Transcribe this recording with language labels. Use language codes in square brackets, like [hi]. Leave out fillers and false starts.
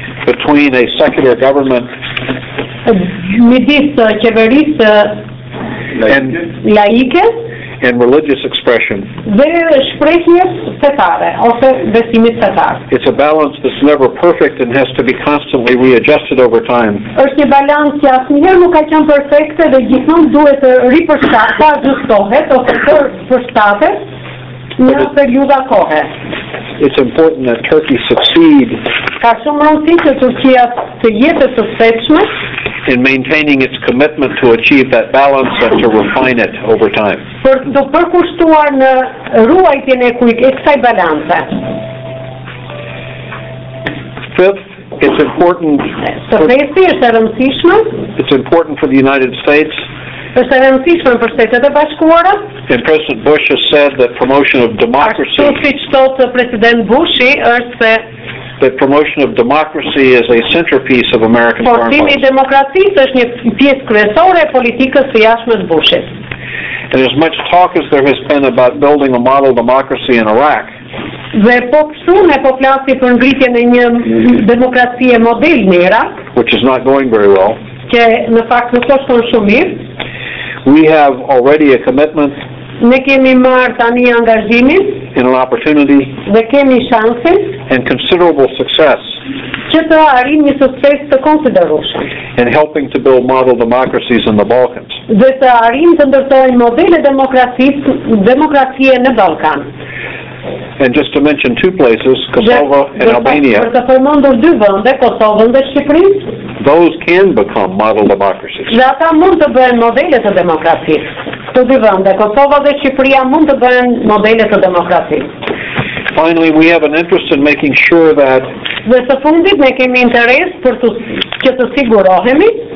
[en] between a secular government [sq] midis qeverisë laike [en] and religious expression. [sq] Dhe shprehjes fetare ose besimit fetar. [en] It's a balance that's never perfect and has to be constantly readjusted over time. [sq] Është një balancë që asnjëherë nuk ka qenë perfekte dhe gjithmonë duhet të ajustohet ose të përshtatet në periudha kohe. [en] It's important that Turkey succeed. [sq] Ka shumë rëndësi që Turqia të jetë e suksesshme [en] in maintaining its commitment to achieve that balance and to refine it over time. [sq] Për të përkushtuar në ruajtjen e kësaj balance. [en] Fifth, it's important. It's important for the United States. [sq] Është e rëndësishme për Shtetet e Bashkuara. [en] And President Bush has said that promotion of democracy. [sq] Ashtu siç thot President Bushi është se [en] the promotion of democracy is a centerpiece of American foreign policy. [sq] Portimi I demokracisë është një pjesë kryesore e politikës së jashtme të Bushit. [en] And as much talk as there has been about building a model democracy in Iraq. [sq] Dhe po shumë e po flasi për ngritjen e një demokracie model në Irak. [en] Which is not going very well. [sq] Që në fakt nuk është shkon shumë mirë. [en] We have already a commitment. [sq] Ne kemi marrë tani angazhimin. [en] In an opportunity. [sq] Ne kemi shansin. [en] And considerable success. [sq] Që të arrim një sukses të konsiderueshëm. [en] In helping to build model democracies in the Balkans. [sq] Dhe të arrim të ndërtojmë modele demokracie në Ballkan. [en] And just to mention two places, Kosovo and Albania. [sq] Për të përmendur dy vende, Kosovën dhe Shqipërinë. [en] Those can become model democracies. [sq] Dhe ata mund të bëhen modele të demokracisë. Të dy vende, Kosova dhe Shqipëria mund të bëhen modele të demokracisë. [en] finally, we have an interest in making sure that [sq] dhe së fundit ne kemi interes për të, që të sigurohemi